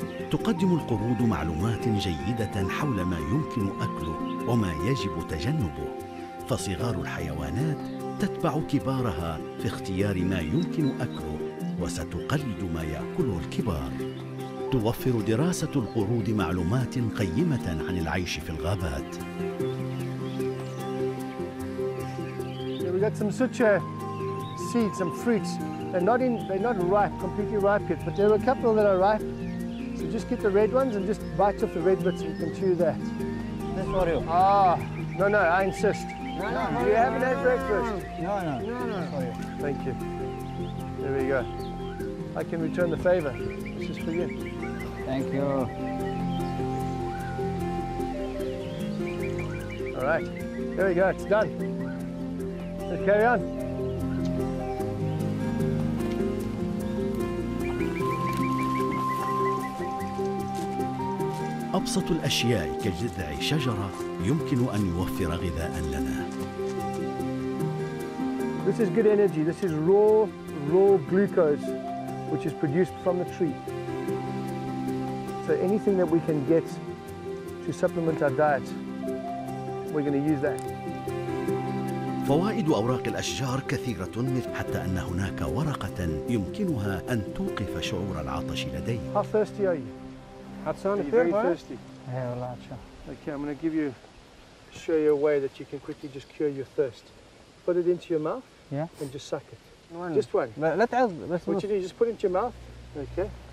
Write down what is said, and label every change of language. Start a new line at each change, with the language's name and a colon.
Arabic: تقدم القرود معلومات جيدة حول ما يمكن أكله وما يجب تجنبه، فصغار الحيوانات تتبع كبارها في اختيار ما يمكن أكله وستقلد ما يأكله الكبار. توفر دراسة القرود معلومات قيمة عن العيش في الغابات.
English: Yeah, we got some sucha seeds, some fruits. They're not ripe, completely ripe yet, but there are a couple that are ripe. So just get the red ones and just bite off the red bits and you can chew that. That's for you. No, I insist. No, you haven't had breakfast. No. For you. Thank you. There we go. I can return the favor. This is for you. Thank you. All right. There we go. It's done. Let's carry on.
Arabic: أبسط الأشياء كجذع شجرة يمكن أن يوفر غذاء لنا.
English: This is good energy. This is raw glucose, which is produced from the tree. So anything that we can get to supplement our diet, we're going to use that.
Arabic: فوائد أوراق الأشجار كثيرة حتى أن هناك ورقة يمكنها أن توقف شعور العطش لدي.
English: How thirsty are you? Hatsan, are you very thirsty? Yeah, well, sure. Okay, I'm going to show you a way that you can quickly just cure your thirst. Put it into your mouth and just suck it. One. Just one. Let's what you do, you just put it into your mouth, okay?